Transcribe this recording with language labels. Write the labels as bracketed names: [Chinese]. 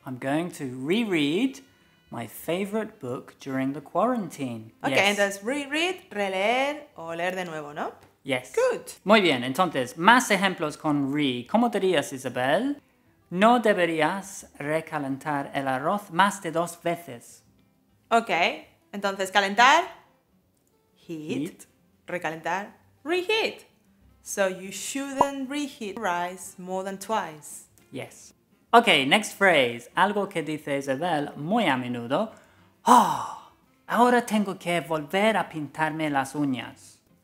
[English] I'm going to reread my favorite book during the quarantine. [Spanish] Okay, entonces reread, releer o leer de nuevo, ¿no? [English] Yes. Good. [Spanish] Muy bien, entonces, más ejemplos con re. ¿Cómo dirías, Isabel? No deberías recalentar el arroz más de dos veces. Okay, entonces calentar... Heat. Recalentar. Reheat. [English] So you shouldn't reheat rice more than twice. Yes. Okay, next phrase. [Spanish] Algo que dice Isabel muy a menudo. Oh, ahora tengo que volver a pintarme las uñas.